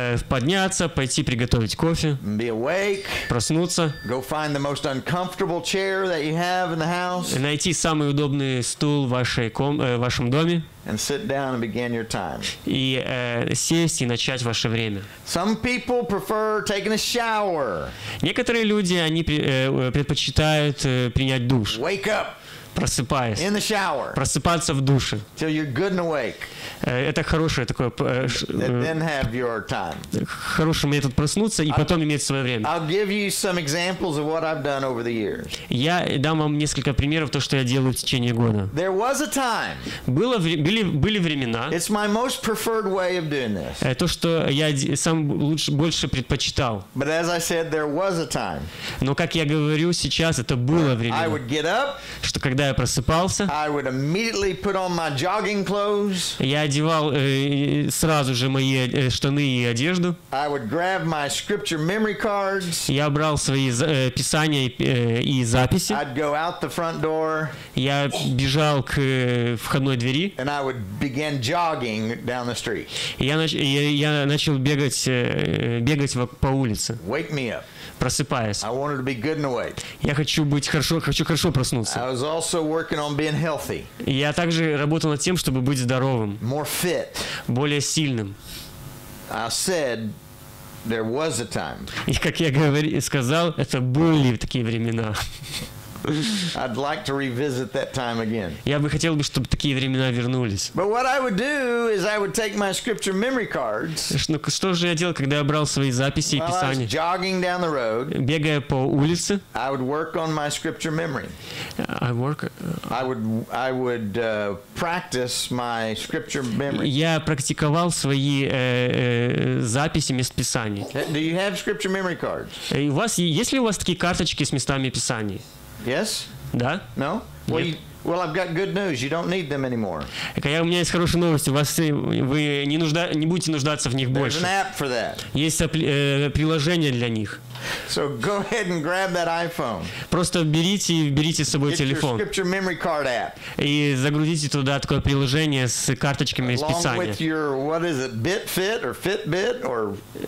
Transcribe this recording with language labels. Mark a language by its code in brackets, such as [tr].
[ru] Подняться, пойти приготовить кофе. [en] Be awake. [ru] Проснуться. [en] Go find the most uncomfortable chair that you have in the house. [ru] Найти самый удобный стул в вашем доме. [en] And sit down and begin your time. [ru] И сесть и начать ваше время. [en] Some people prefer taking a shower. [ru] Некоторые люди, они предпочитают принять душ. [en] Wake up. [ru] просыпаясь. [en] In the shower. [ru] Просыпаться в душе. [en] Till you're good and awake. [ru] Это хорошее такое. [en] Then have your time. [ru] Хороший метод проснуться и потом иметь свое время. [en] I'll give you some examples of what I've done over the years. [ru] Я дам вам несколько примеров то, что я делаю в течение года. [en] There was a time. [ru] Были времена. [en] It's my most preferred way of doing this. [ru] То, что я сам больше предпочитал. [en] But as I said, there was a time. [ru] Но как я говорю сейчас, это было время. [en] I would get up. [ru] Что когда я просыпался, [en] I would immediately put on my jogging clothes. [ru] Я одевал сразу же мои штаны и одежду. [en] I would grab my scripture memory cards. [ru] Я брал свои писания и записи. [en] I'd go out the front door. [ru] Я бежал к входной двери. [en] And I would begin jogging down the street. [ru] Я начал бегать по улице. [en] Wake me up. [ru] Просыпаясь. [en] I wanted to be good and awake. [ru] Я хочу быть хорошо, хочу хорошо проснуться. [en] I was also working on being healthy. [ru] Я также работал над тем, чтобы быть здоровым. [en] More fit. [ru] Более сильным. [en] I said there was a time. [ru] И как я сказал, это были такие времена. [en] I'd like to revisit that time again. [ru] Я бы хотел, чтобы такие времена вернулись. [en] But what I would do is I would take my scripture memory cards. [ru] Что же я делал, когда я брал свои записи и писания? [en] While I was jogging down the road. [ru] Бегая по улице. [en] I would work on my scripture memory. I would practice my scripture memory. [ru] Я практиковал свои записи мест писаний. [en] Do you have scripture memory cards? [ru] У вас есть ли у вас такие карточки с местами писаний? [en] Yes? [ru] Да? [en] No? Well, I've got good news. You don't need them anymore. [ru] У меня есть хорошая новость. Вы не будете нуждаться в них больше. [en] There's an app for that. [ru] Есть приложение для них. [en] So go ahead and grab that iPhone. [ru] Просто берите с собой телефон. [en] Get your scripture memory card app. [ru] И загрузите туда такое приложение с карточками из писания. [en] Along with your, what is it, BitFit or Fitbit or?